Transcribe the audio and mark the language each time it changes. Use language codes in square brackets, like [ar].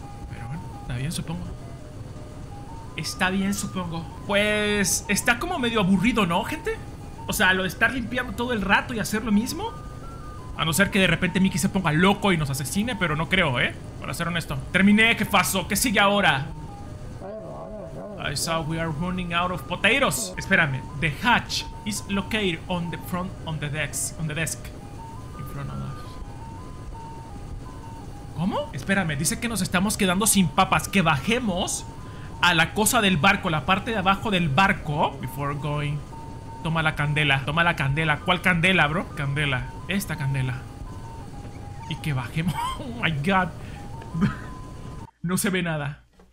[es] Pero bueno, está bien, supongo. Está bien, supongo. Pues está como medio aburrido, ¿no, gente? O sea, lo de estar limpiando todo el rato y hacer lo mismo. A no ser que de repente Mickey se ponga loco y nos asesine, pero no creo, ¿eh? Para ser honesto. Terminé, ¿qué pasó? ¿Qué sigue ahora? [en] I saw we are running out of potatoes. [es] Espérame. [en] The hatch is located on the front on the desk. On the desk. In front of us. [es] ¿Cómo? Espérame. Dice que nos estamos quedando sin papas. Que bajemos a la cosa del barco. La parte de abajo del barco. [en] Before going. [es] Toma la candela. Toma la candela. ¿Cuál candela, bro? Candela. Esta candela. Y que bajemos. Oh my God. No se ve nada.